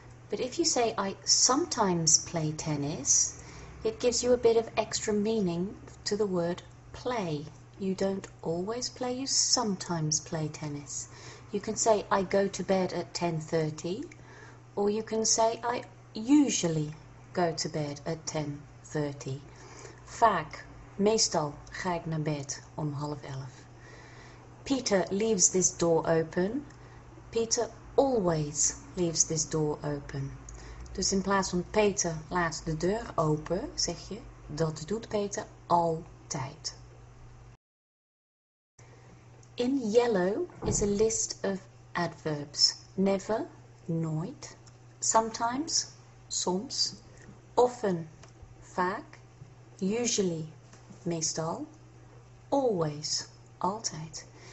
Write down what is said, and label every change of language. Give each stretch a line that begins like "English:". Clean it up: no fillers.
English: But if you say, I sometimes play tennis, it gives you a bit of extra meaning to the word play. You don't always play, you sometimes play tennis. You can say, I go to bed at 10:30, or you can say, I usually go to bed at 10:30.
Dutch: Vaak, meestal ga ik naar bed om 10:30.
English: Peter leaves this door open. Peter always leaves this door open.
Dutch: Dus in plaats van Peter laat de deur open, zeg je, dat doet Peter altijd.
English: In yellow is a list of adverbs. Never, nooit. Sometimes, soms. Often, vaak. Usually, meestal. Always, altijd.